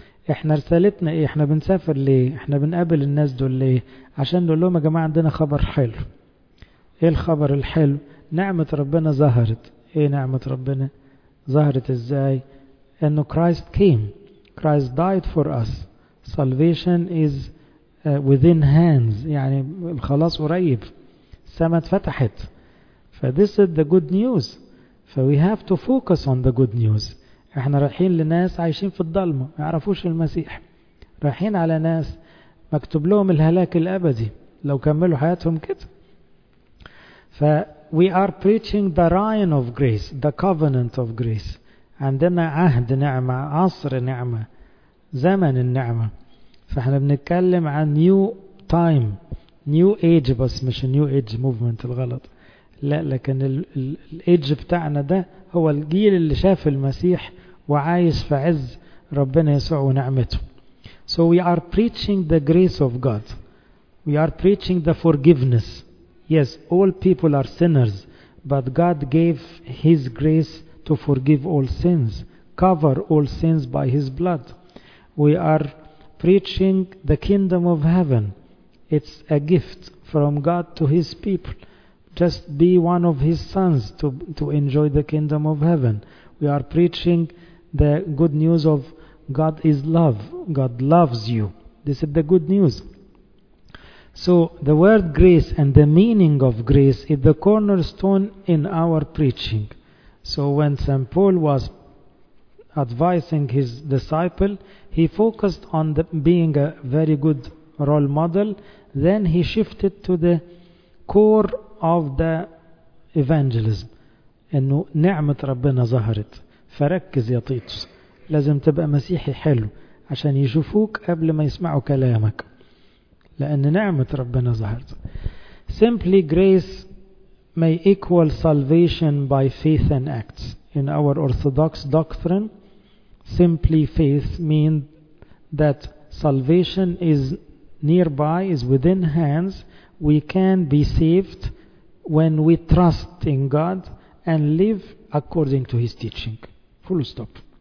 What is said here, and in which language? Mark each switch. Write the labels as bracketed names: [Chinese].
[Arabic] احنا رسالتنا ايه؟ احنا بنسافر ليه؟ احنا بنقابل الناس دول ليه؟ عشان نقول لهم يا جماعة عندنا خبر حلو. ايه الخبر الحلو؟ نعمة ربنا ظهرت. ايه نعمة ربنا؟ ظهرت ازاي؟ انه [English] Christ came. Christ died for us. Salvation is within hands. [Arabic] يعني الخلاص قريب. السماء اتفتحت. ف [English] this is the good news. So we have to focus on the good news. [Arabic] احنا رايحين لناس عايشين في الضلمة ما يعرفوش المسيح. رايحين على ناس مكتوب لهم الهلاك الابدي لو كملوا حياتهم كده. [English] ف we are preaching the rain of grace, the covenant of grace. [Arabic] عندنا عهد نعمة, عصر نعمة, زمن النعمة. فاحنا بنتكلم عن [English] new time, new age, [Arabic] بس مش [English] new age movement [Arabic] الغلط. لا, لكن الايدج بتاعنا ده هو الجيل اللي شاف المسيح وعايش في عز ربنا يسوع ونعمته. [English] So we are preaching the grace of God. We are preaching the forgiveness. Yes, all people are sinners, but God gave His grace to forgive all sins, cover all sins by His blood. We are preaching the kingdom of heaven. It's a gift from God to His people. Just be one of His sons to enjoy the kingdom of heaven. We are preaching the good news of God is love. God loves you. This is the good news. So the word grace and the meaning of grace is the cornerstone in our preaching. So when St. Paul was advising his disciple, he focused on being a very good role model. Then he shifted to the core of the evangelism. [Arabic] انه نعمة ربنا ظهرت. فركز يا تيتوس, لازم تبقى مسيحي حلو عشان يشوفوك قبل ما يسمعوا كلامك, لان نعمة ربنا ظهرت. [English] Simply grace may equal salvation by faith and acts. In our orthodox doctrine, simply faith means that salvation is nearby, is within hands. We can be saved when we trust in God and live according to His teaching. Full stop.